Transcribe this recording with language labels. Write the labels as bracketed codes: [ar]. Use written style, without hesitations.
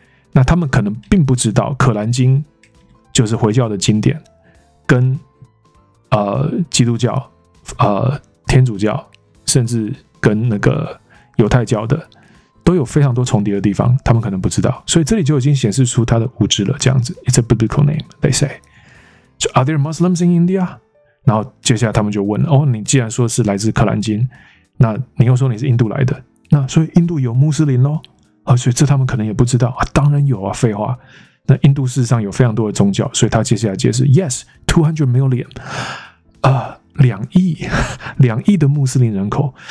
[zh] 那他们可能并不知道，可兰经就是回教的经典，跟基督教天主教甚至跟那个犹太教的都有非常多重叠的地方，他们可能不知道，所以这里就已经显示出他的无知了，这样子。 [en] It's a biblical name they say， so are there Muslims in India？ [zh] 然后接下来他们就问，哦，你既然说是来自克兰经，那你又说你是印度来的，那所以印度有穆斯林咯，哦，所以这他们可能也不知道，啊，当然有啊，废话，那印度事实上有非常多的宗教，所以他接下来解释 ： [en] Yes， 200 million， [zh] 两亿的穆斯林人口。